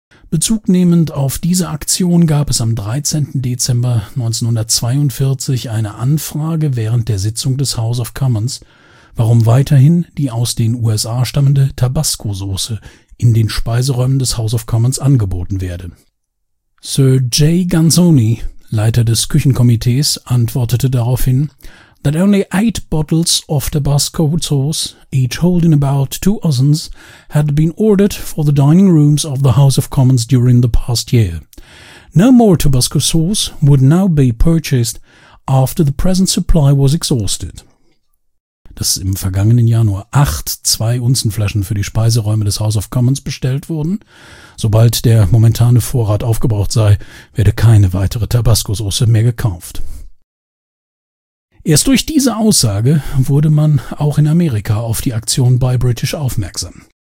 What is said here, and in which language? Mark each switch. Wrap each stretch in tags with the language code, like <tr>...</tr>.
<de>Bezugnehmend auf diese Aktion gab es am 13. Dezember 1942 eine Anfrage während der Sitzung des House of Commons, warum weiterhin die aus den USA stammende Tabasco-Soße in den Speiseräumen des House of Commons angeboten werde. Sir J.</de> <en>Ganzoni,</en> <de>Leiter des Küchenkomitees, antwortete daraufhin,</de> <en>that only 8 bottles of Tabasco sauce, each holding about 2 ounces, had been ordered for the dining rooms of the House of Commons during the past year. No more Tabasco sauce would now be purchased after the present supply was exhausted.</en> <de>Dass im vergangenen Jahr nur 8 2-Unzen-Flaschen für die Speiseräume des House of Commons bestellt wurden. Sobald der momentane Vorrat aufgebraucht sei, werde keine weitere Tabasco-Soße mehr gekauft. Erst durch diese Aussage wurde man auch in Amerika auf die Aktion Buy British aufmerksam.</de>